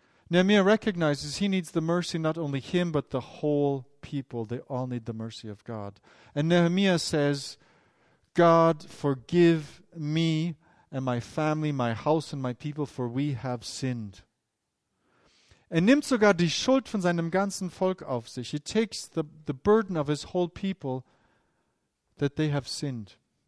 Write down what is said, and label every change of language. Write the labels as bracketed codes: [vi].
[en] Nehemia recognizes he needs the mercy, not only him, but the whole people. They all need the mercy of God. And Nehemia says, God, forgive me and my family, my house and my people, for we have sinned. [de] Er nimmt sogar die Schuld von seinem ganzen Volk auf sich. [en] He takes the burden of his whole people that they have sinned.